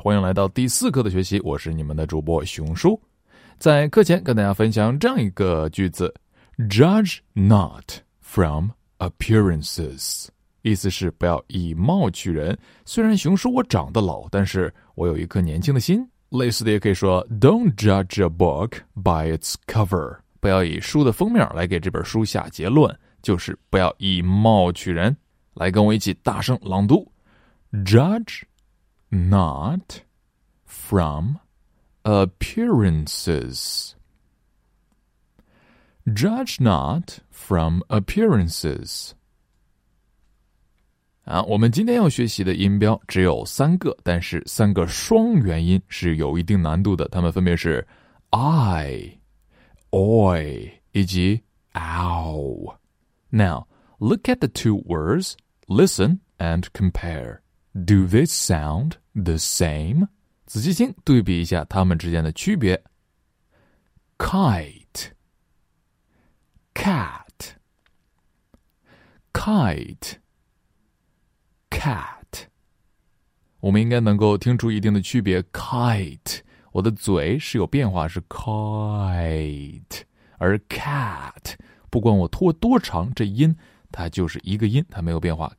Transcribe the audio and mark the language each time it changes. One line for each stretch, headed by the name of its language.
Chinese: 欢迎来到第四课的学习，我是你们的主播熊叔。在课前跟大家分享这样一个句子
English: Judge not from appearances.
Chinese: 意思是不要以貌取人，虽然熊叔我长得老，但是我有一颗年轻的心。类似的也可以说
English: Don't judge a book by its cover.
Chinese: 不要以书的封面来给这本书下结论，就是不要以貌取人。来跟我一起大声朗读。
English: Judge not from appearances. Judge not from appearances.
Chinese: 啊，我们今天要学习的音标只有三个，但是三个双元音是有一定难度的，它们分别是 I, oi, 以及 ow.
English: Now, look at the two words, listen and compare. Do they sound the same?
Chinese: 仔细听，对比一下它们之间的区别。
English: Kite, cat, kite, cat.
Chinese: 我们应该能够听出一定的区别。Kite, 我的嘴是有变化，是 kite, 而 cat, 不管我拖多长，这音它就是一个音，它没有变化。